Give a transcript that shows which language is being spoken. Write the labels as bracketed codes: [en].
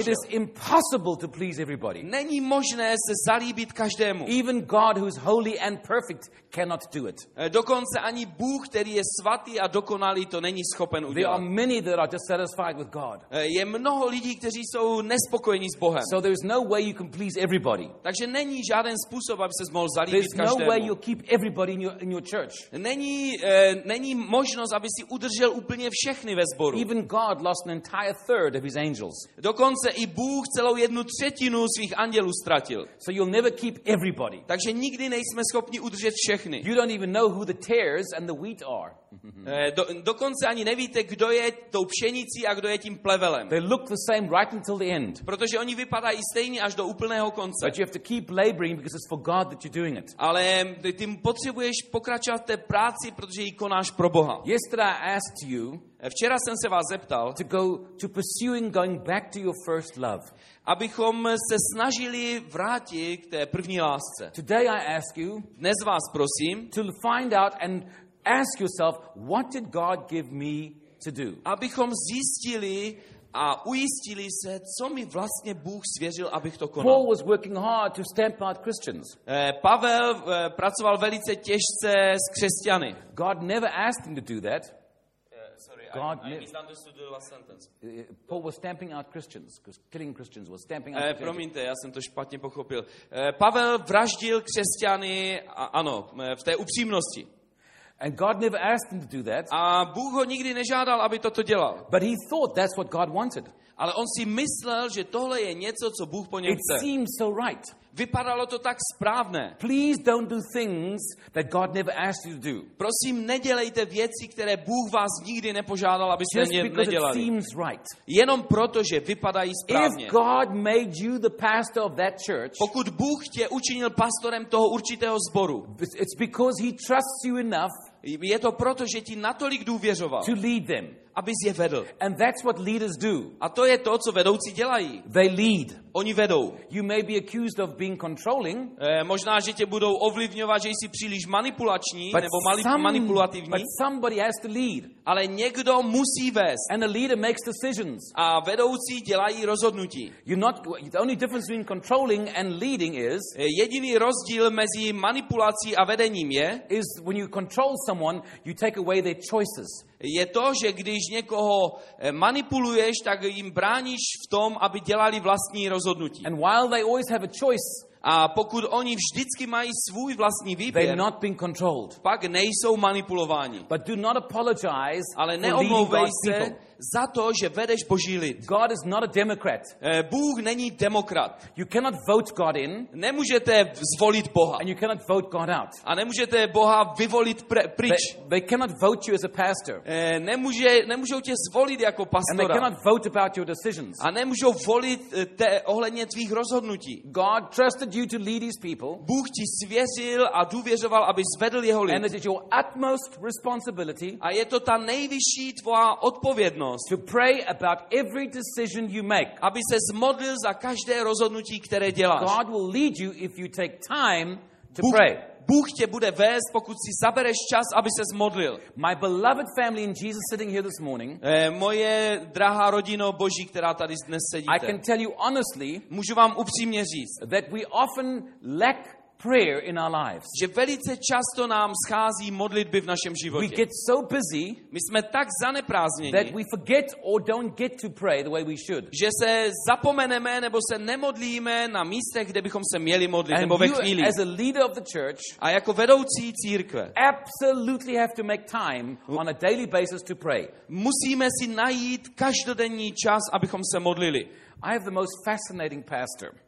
[en] It is impossible to please everybody. [cs] Není možné se zalíbit každému. [en] Even God, who is holy and perfect, cannot do it. [cs] Dokonce ani Bůh, který je svatý a dokonalý, to není schopen udělat. [en] There are many that are just satisfied with God. [cs] Je mnoho lidí, kteří jsou nespokojení s Bohem. [en] So there is no way you can please everybody. [cs] Takže není žádný způsob, aby ses mohl zalíbit [en] There's [cs] každému. [en] No way you keep everybody in your church. [cs] Není možnost, aby si udržel úplně všechny ve sboru. [en] Even God lost an entire third of his angels. [cs] Dokonce i Bůh celou jednu třetinu svých andělů ztratil. [en] So you'll never keep everybody. [cs] Takže nikdy nejsme schopni udržet všechny. [en] You don't even know who the tares and the wheat are. [cs] Dokonce ani nevíte, kdo je tou pšenicí a kdo je tím plevelem. [en] They look the same right until the end. [cs] Protože oni vypadají stejně až do úplného konce. [en] But you have to keep laboring because it's for God that you're doing it. [cs] Ale ty potřebuješ pokračovat v té práci, protože ji konáš pro Boha. [en] Yesterday I asked you, [cs] včera jsem se vás zeptal, [en] to pursuing going back to your first love. [cs] Abychom se snažili vrátit k té první lásce. [en] Today I ask you, [cs] dnes vás prosím, [en] to find out and ask yourself, what did God give me to do? [cs] Abychom zjistili a ujistili se, co mi vlastně Bůh svěřil, abych to konal. [en] Paul was working hard to stamp out Christians. [cs] Pavel pracoval velice těžce s křesťany. [en] God never asked him to do that. God, I misunderstood the last sentence. Paul was stamping out Christians, killing Christians, was stamping out. [cs] Promiňte, já jsem to špatně pochopil. Pavel vraždil křesťany, ano, v té upřímnosti. [en] And God never asked him to do that. [cs] A Bůh ho nikdy nežádal, aby toto dělal. [en] But he thought that's what God wanted. [cs] Ale on si myslel, že tohle je něco, co Bůh po něm chce. [en] It seems so right. [cs] Vypadalo to tak správně. [en] Please don't do things that God never asked you to do. [cs] Prosím, nedělejte věci, které Bůh vás nikdy nepožádal, abyste nedělali. [en] It seems right. [cs] Jenom proto, že vypadají správně. [en] If God made you the pastor of that church, [cs] pokud Bůh tě učinil pastorem toho určitého sboru, [en] it's because he trusts you enough. [cs] Je to proto, že ti natolik důvěřoval. [en] To lead them. [cs] Abys je vedl. [en] And that's what leaders do. [cs] A to je to, co vedoucí dělají. [en] They lead. [cs] Oni vedou. [en] You may be accused of being controlling. [cs] Možná, že tě budou ovlivňovat, že jsi příliš manipulační nebo manipulativní. [en] But somebody has to lead. [cs] Ale někdo musí vést. [en] And a leader makes decisions. [cs] A vedoucí dělají rozhodnutí. [en] The only difference between controlling and leading is. [cs] Jediný rozdíl mezi manipulací a vedením je. [en] Is when you control someone, you take away their choices. [cs] Je to, že když někoho manipuluješ, tak jim bráníš v tom, aby dělali vlastní rozhodnutí. [en] And while they always have a choice, [cs] a pokud oni vždycky mají svůj vlastní výběr, [en] they're not being controlled. [cs] Pak nejsou manipulováni. [en] But do not apologize, [cs] ale neomlouvej se za to, že vedeš Boží lid. [en] God is not a democrat. [cs] Bůh není demokrat. [en] You cannot vote God in. [cs] Nemůžete zvolit Boha. [en] And you cannot vote God out. [cs] A nemůžete Boha vyvolit pryč. [en] They cannot vote you as a pastor. [cs] Nemůžou tě zvolit jako pastora. [en] And they cannot vote about your decisions. [cs] A nemůžou volit ohledně tvých rozhodnutí. [en] God trusted you to lead his people. [cs] Bůh ti svěřil a důvěřoval, aby zvedl jeho lid. [en] And it is your utmost responsibility. [cs] A je to ta nejvyšší tvoje odpovědnost. [en] To pray about every decision you make. [cs] Aby se modlil za každé rozhodnutí, které děláš. [en] God will lead you if you take time to [cs] Bůh, [en] pray. [cs] Bůh tě bude vést, pokud si zabereš čas, aby ses modlil. [en] My beloved family in Jesus sitting here this morning. [cs] Moje drahá rodino Boží, která tady dnes sedíte. [en] I can tell you honestly. [cs] Můžu vám upřímně říct, [en] that we often lack prayer in our lives. [cs] Že velice často nám schází modlitby v našem životě. [en] We get so busy, [cs] my jsme tak zaneprázdnění, [en] that we forget or don't get to pray the way we should. [cs] Že se zapomeneme nebo se nemodlíme na místech, kde bychom se měli modlit nebo ve chvíli. [en] As a leader of the church, [cs] a jako vedoucí církve, [en] absolutely have to make time on a daily basis to pray. [cs] Musíme si najít každodenní čas, abychom se modlili. [en] I have the most fascinating pastor.